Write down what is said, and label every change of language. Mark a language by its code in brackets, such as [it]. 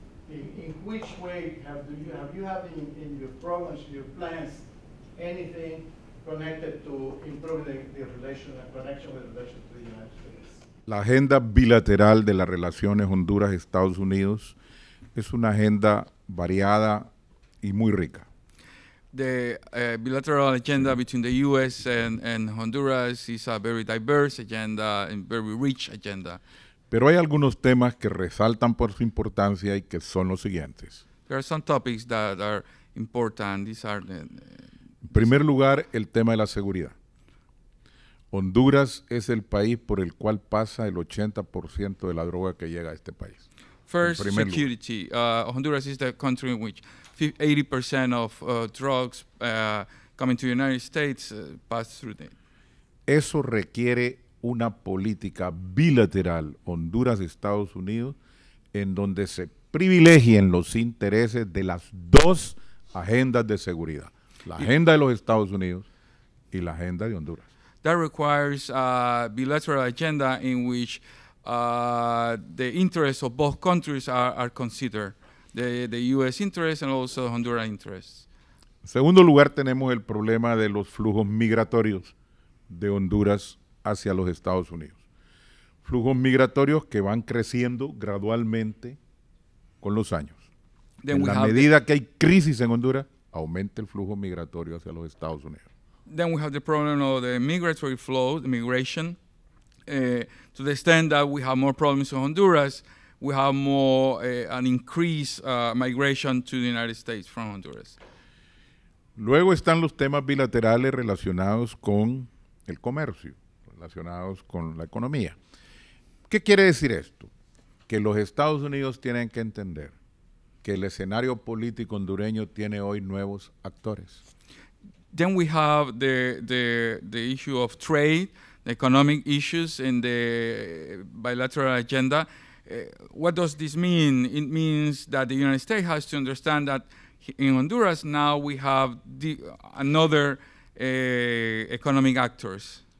[en] In which way have you in your programs, your plans, anything connected to improving the relation and connection with relation to the United States? [es] La agenda bilateral de las relaciones Honduras-Estados Unidos es una agenda variada y muy rica. [en] The bilateral agenda between the U.S. and Honduras is a very diverse agenda and very rich agenda. [es] Pero hay algunos temas que resaltan por su importancia y que son los siguientes. [en] There are some topics that are important. These are the, [es] en primer lugar, el tema de la seguridad. Honduras es el país por el cual pasa el 80% de la droga que llega a este país. [en] First, security. Honduras is the country in which 80% of drugs coming to the United States pass through there. [es] Eso requiere una política bilateral Honduras-Estados Unidos en donde se privilegien los intereses de las dos agendas de seguridad, la agenda de los Estados Unidos y la agenda de Honduras. [en] That requires a bilateral agenda in which the interests of both countries are considered. The U.S. interests and also Honduran interests. [es] En segundo lugar, tenemos el problema de los flujos migratorios de Honduras hacia los Estados Unidos. Flujos migratorios que van creciendo gradualmente con los años. [en] Then [es] en la medida que hay crisis en Honduras, aumenta el flujo migratorio hacia los Estados Unidos. [en] Then we have the problem of the migratory flow, the migration. To the extent that we have more problems in Honduras, we have more an increase migration to the United States from Honduras. [es] Luego están los temas bilaterales relacionados con el comercio, relacionados con la economía. ¿Qué quiere decir esto? que los Estados Unidos tienen que entender que el escenario político hondureño tiene hoy nuevos actores. [en] Then we have the issue of trade, the economic issues in the bilateral agenda. What does this mean? It means that the United States has to understand that in Honduras now we have another economic actors.